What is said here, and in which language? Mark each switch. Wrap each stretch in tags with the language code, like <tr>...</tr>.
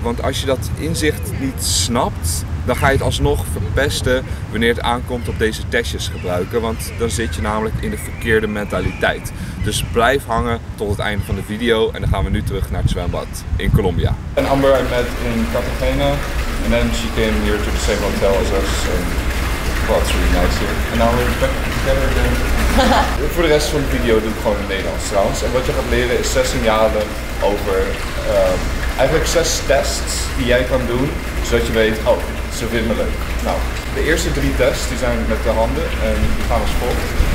<nl>Want als je dat inzicht niet snapt, dan ga je het alsnog verpesten wanneer het aankomt op deze testjes gebruiken. Want dan zit je namelijk in de verkeerde mentaliteit. Dus blijf hangen tot het einde van de video en dan gaan we nu terug naar het zwembad in Colombia.</nl> <en>En Amber, I met in Cartagena. En then she came here to the same hotel as us. Well, it's really nice here. And now we're back together again.</en> <nl>Voor de rest van de video doe ik gewoon in Nederlands trouwens. En wat je gaat leren is 6 signalen over eigenlijk 6 tests die jij kan doen, zodat je weet: oh, ze vinden me leuk. Nou, de eerste 3 tests die zijn met de handen en die gaan als volgt.</nl>